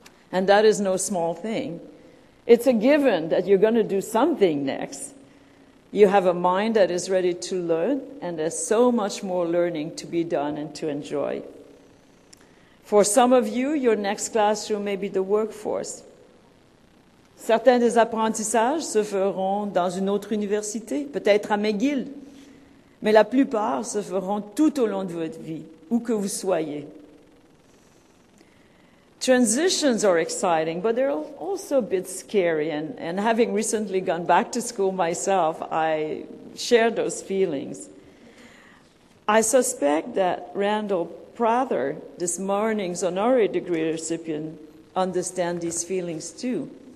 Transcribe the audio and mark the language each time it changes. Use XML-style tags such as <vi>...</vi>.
<en>And that is no small thing. It's a given that you're going to do something next. You have a mind that is ready to learn, and there's so much more learning to be done and to enjoy. For some of you, your next classroom may be the workforce.</en> <fr>Certains des apprentissages se feront dans une autre université, peut-être à McGill, mais la plupart se feront tout au long de votre vie, où que vous soyez.</fr> <en>Transitions are exciting, but they're also a bit scary, and having recently gone back to school myself, I share those feelings. I suspect that Randall Prather, this morning's honorary degree recipient, understands these feelings too.</en>